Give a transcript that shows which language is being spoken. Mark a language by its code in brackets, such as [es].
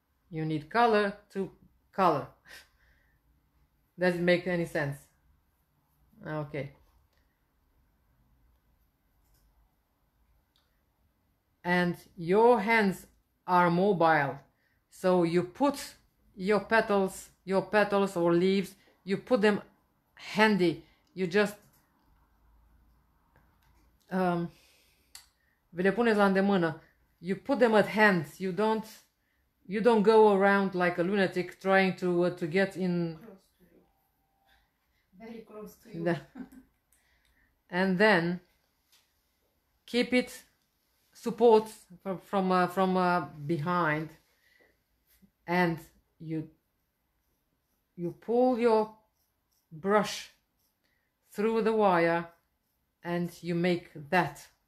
[en] You need color to color. Does it make any sense? Okay. And your hands are mobile, so you put your petals or leaves, you put them handy. You just [ro] vi le puneți la îndemână. [en] You put them at hand. You don't go around like a lunatic trying to get in. Very close to you. And then keep it support from behind, and you pull your brush through the wire and you make that.